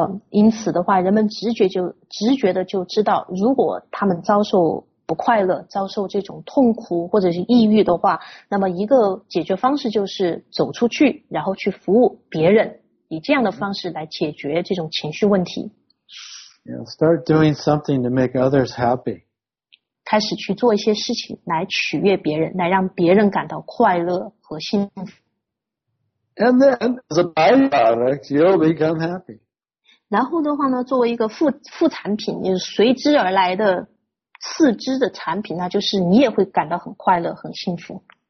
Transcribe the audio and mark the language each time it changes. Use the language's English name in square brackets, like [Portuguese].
[Chinese] 因此的话，人们直觉的就知道，如果他们遭受不快乐，遭受这种痛苦或者是抑郁的话，那么一个解决方式就是走出去，然后去服务别人，以这样的方式来解决这种情绪问题。 [English] Yeah, start doing something to make others happy. [Chinese] 开始去做一些事情来取悦别人，来让别人感到快乐和幸福。 [English] And then, as a byproduct, you'll become happy. [Chinese] 然后的话呢，作为一个副产品，就是随之而来的次之的产品，那就是你也会感到很快乐、很幸福。